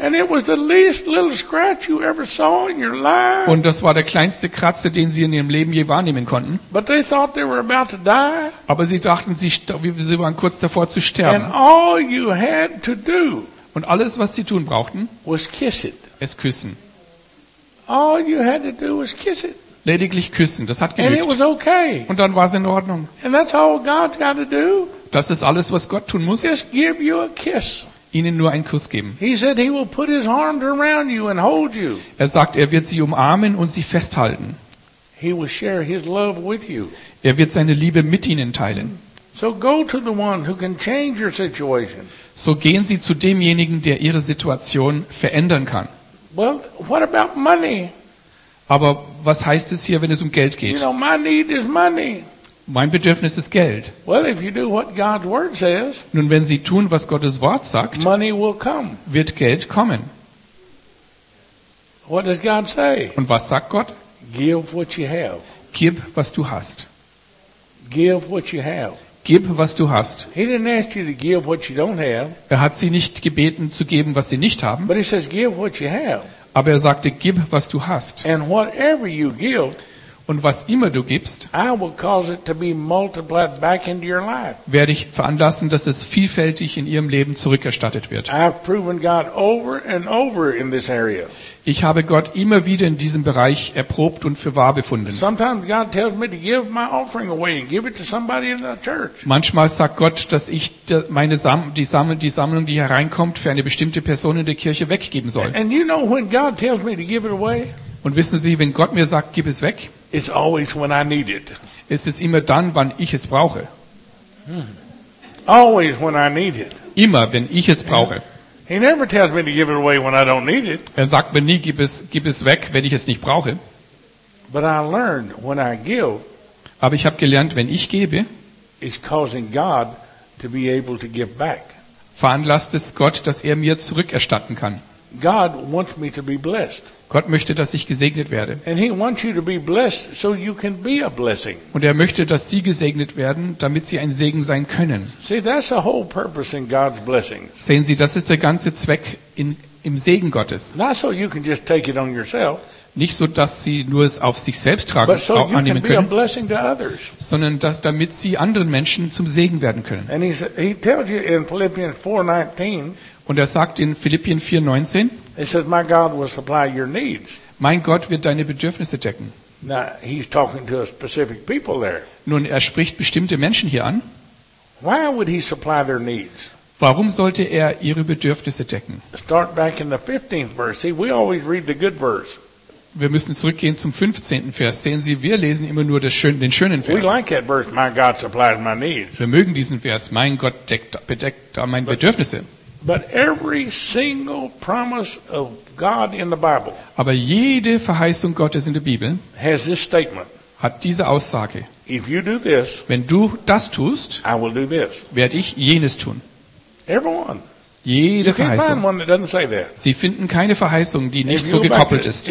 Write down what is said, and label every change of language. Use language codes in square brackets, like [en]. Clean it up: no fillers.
[en] And it was the least little scratch you ever saw in your life. [de] Und das war der kleinste Kratzer, den sie in ihrem Leben je wahrnehmen konnten. [en] But they thought they were about to die. [de] Aber sie dachten, sie waren kurz davor zu sterben. [en] And all you had to do. [de] Und alles, was sie tun brauchten, [en] was kiss it. [de] Es küssen. [en] All you had to do was kiss it. [de] Lediglich küssen, das hat genügt. [en] And it was okay. [de] Und dann war es in Ordnung. [en] And that's all God got to do. [de] Das ist alles, was Gott tun muss. [en] Just give you a kiss. [de] Ihnen nur einen Kuss geben. [en] He said he will put his arms around you and hold you. [de] Er sagt, er wird sie umarmen und sie festhalten. [en] He will share his love with you. [de] Er wird seine Liebe mit ihnen teilen. [en] So go to the one who can change your situation. [de] So gehen Sie zu demjenigen, der Ihre Situation verändern kann. [en] Well, what about money? [de] Aber was heißt es hier, wenn es um Geld geht? [en] You know, my need is money. [de] Mein Bedürfnis ist Geld. [en] Well, if you do what God's word says, [de] nun, wenn Sie tun, was Gottes Wort sagt, [en] money will come. [de] Wird Geld kommen. [en] What does God say? [de] Und was sagt Gott? [en] Give what you have. [de] Gib, was du hast. [en] Give what you have. [de] Gib, was du hast. [en] He didn't ask you to give what you don't have. [de] Er hat Sie nicht gebeten, zu geben, was Sie nicht haben. [en] But he says, give what you have. [de] Aber er sagte, gib, was du hast. [en] And whatever you give, [de] Und was immer du gibst, [en] I will cause it to be multiplied back into your life. [de] Werde ich veranlassen, dass es vielfältig in ihrem Leben zurückerstattet wird. [en] I've proven God over and over in this area. [de] Ich habe Gott immer wieder in diesem Bereich erprobt und für wahr befunden. [en] Sometimes God tells me to give my offering away and give it to somebody in the church. [de] Manchmal sagt Gott, dass ich die Sammlung, die hereinkommt, für eine bestimmte Person in der Kirche weggeben soll. [en] And you know when God tells me to give it away? [de] Und wissen Sie, wenn Gott mir sagt, gib es weg? [en] It's always when I need it. [de] Es ist immer dann, wann ich es brauche. [en] Always when I need it. [de] Immer, wenn ich es brauche. [en] He never tells me to give it away when I don't need it. [de] Er sagt mir nie, gib es weg, wenn ich es nicht brauche. [en] But I learned when I give. [de] Aber ich habe gelernt, wenn ich gebe, [en] it's causing God to be able to give back. [de] Veranlasst es Gott, dass er mir zurückerstatten kann. [en] God wants me to be blessed. [de] Gott möchte, dass ich gesegnet werde. [en] And he wants you to be blessed so you can be a blessing. [de] Und er möchte, dass Sie gesegnet werden, damit Sie ein Segen sein können. [en] See, that's the whole purpose in God's blessings. [de] Sehen Sie, das ist der ganze Zweck im Segen Gottes. [en] Not so you can just take it on yourself. [de] Nicht so, dass Sie nur es auf sich selbst tragen, [en] so [de] auch annehmen können, [en] a blessing to others. [de] Sondern damit Sie anderen Menschen zum Segen werden können. [en] And he tells you in Philippians 4:19. [de] Und er sagt in Philippians 4:19. [en] It says, "My God will supply your needs." [de] Mein Gott wird deine Bedürfnisse decken. [en] Now he's talking to a specific people there. [de] Nun, er spricht bestimmte Menschen hier an. [en] Why would he supply their needs? [de] Warum sollte er ihre Bedürfnisse decken? [en] Start back in the 15th verse. See, we always read the good verse. [de] Wir müssen zurückgehen zum 15. Vers. Sehen Sie, wir lesen immer nur den schönen Vers. [en] We like that verse, "My God supplies my needs." [de] Wir mögen diesen Vers. Mein Gott bedeckt meine Bedürfnisse. [en] But every single promise of God in the Bible. [de] Aber jede Verheißung Gottes in der Bibel [en] has this statement. [de] Hat diese Aussage. [en] If you do this, [de] wenn du das tust, [en] I will do this. [de] Werde ich jenes tun. [en] Everyone. [de] Jede Verheißung. [en] You can't find one that doesn't say that. [de] Sie finden keine Verheißung, die nicht so gekoppelt ist.